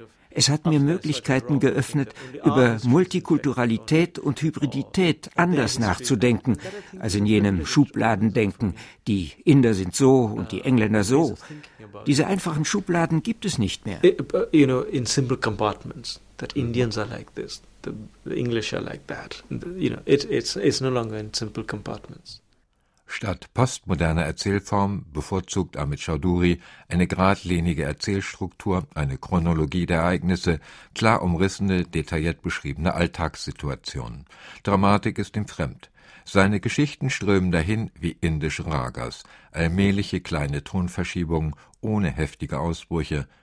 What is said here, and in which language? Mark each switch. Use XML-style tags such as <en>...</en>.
<de>Es hat mir Möglichkeiten geöffnet, über Multikulturalität und Hybridität anders nachzudenken, als in jenem Schubladendenken, die Inder sind so und die Engländer so. Diese einfachen Schubladen gibt es nicht mehr.</de> <en>You know, in simple compartments, that Indians are like this, the English are like that. You know, it's no longer in simple compartments.</en> <de>Statt postmoderner Erzählform bevorzugt Amit Chowdhury eine geradlinige Erzählstruktur, eine Chronologie der Ereignisse, klar umrissene, detailliert beschriebene Alltagssituationen. Dramatik ist ihm fremd. Seine Geschichten strömen dahin wie indische Ragas, allmähliche kleine Tonverschiebungen ohne heftige Ausbrüche.</de>